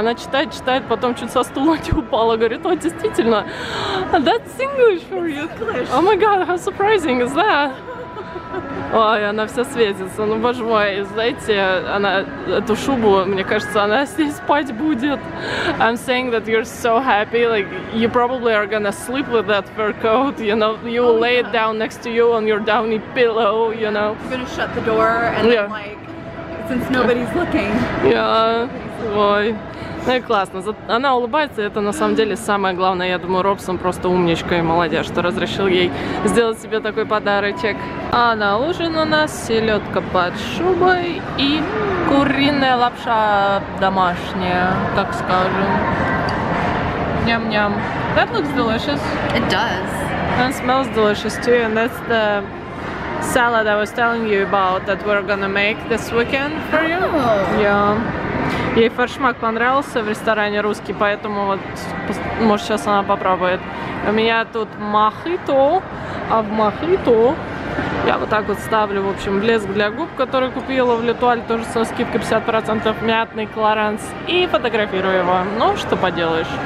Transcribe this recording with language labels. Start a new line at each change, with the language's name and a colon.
Russian: Она читает, читает, потом чуть со стула не упала. Говорит, о, действительно,
English: that's English for you. Oh my god, how surprising is that?
Russian: Ой, она вся светится. Ну, боже мой, знаете, она эту шубу, мне кажется, она с ней спать будет.
English: I'm saying that you're so happy, like, you probably are gonna sleep with that fur coat, you know, you will lay it down next to you on your downy pillow, you know. I'm gonna shut the door and then, like, since nobody's looking.
Russian: Yeah, ой. Ну и классно. Она улыбается, это на самом деле самое главное. Я думаю, Робсон просто умничка и молодец, что разрешил ей сделать себе такой подарочек. А на ужин у нас селедка под шубой и куриная лапша домашняя, так скажем.
English: Ням-ням. That looks delicious. It does. And smells delicious too. And that's the salad I was telling you about that we're gonna make this weekend for you. Oh. Yeah.
Russian: Ей форшмак понравился в ресторане русский, поэтому вот, может, сейчас она попробует. У меня тут мохито, а в мохито я вот так вот ставлю, в общем, блеск для губ, который купила в Литуале, тоже со скидкой 50%, мятный Клоранс, и фотографирую его. Ну, что поделаешь.